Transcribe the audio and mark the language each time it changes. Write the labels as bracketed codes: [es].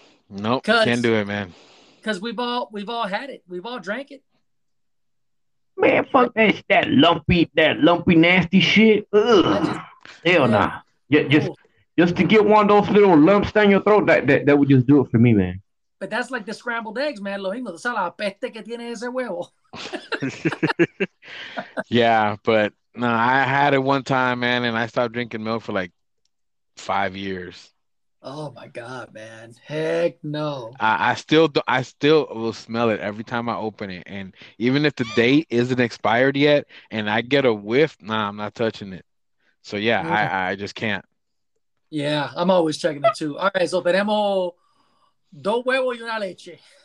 [en] Nope, can't do it, man. Because we've all had it. We've all drank it. Man, fuck that lumpy, nasty shit. Ugh. Hell nah. Yeah, just to get one of those little lumps down your throat, that would just do it for me, man. But that's like the scrambled eggs, man. [es] Lo mismo, esa la peste que tiene ese huevo. [en] Yeah, but no, I had it one time, man, and I stopped drinking milk for like 5 years. Oh my God, man. Heck no. I still will smell it every time I open it. And even if the date isn't expired yet and I get a whiff, nah, I'm not touching it. So yeah, okay. I just can't. Yeah, I'm always checking it too. All right, so [es] tenemos dos huevos y una leche.